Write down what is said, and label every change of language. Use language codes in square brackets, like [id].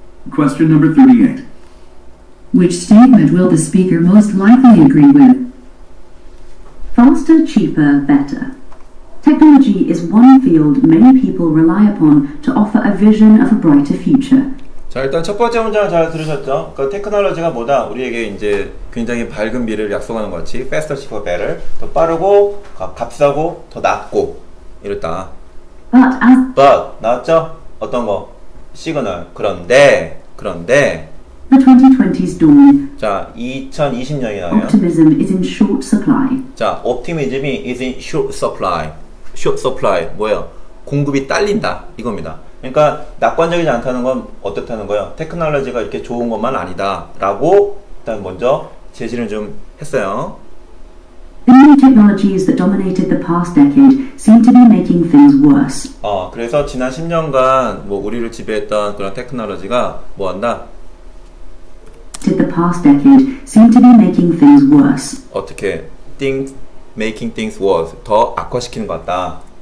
[en] Question number 38. Which statement will the speaker most likely agree with? Faster, cheaper, better. Technology is one field many people rely upon to offer a vision of a brighter future. [ko] 자, 일단 첫 번째 문장 잘 들으셨죠? 그러니까 테크놀로지가 뭐다? 우리에게 이제 굉장히 밝은 미래를 약속하는 것 같이 [en] faster, cheaper, better. [ko] 더 빠르고, 값싸고, 더 낫고 이랬다. [en] But, [ko] 나왔죠? 어떤 거? 시그널. 그런데 [en] The 2020s dawn. [ko] 자, 2020년이 나요. [en] Optimism is in short supply. 자, optimism이 is in short supply. Short supply [ko] 뭐예요? 공급이 딸린다 이겁니다. 그러니까 낙관적이지 않다는 건 어떻다는 거예요? 테크놀로지가 이렇게 좋은 것만 아니다라고 일단 먼저 제시를 좀 했어요. [en] The new technologies that dominated the past decade seem to be making things worse. [ko] 그래서 지난 10년간 뭐 우리를 지배했던 그런 테크놀로지가 뭐 한다? [en] Did the past decade seem to be making things worse? [ko] 어떻게 [en] things making things worse [ko] 더 악화시키는 것 같다.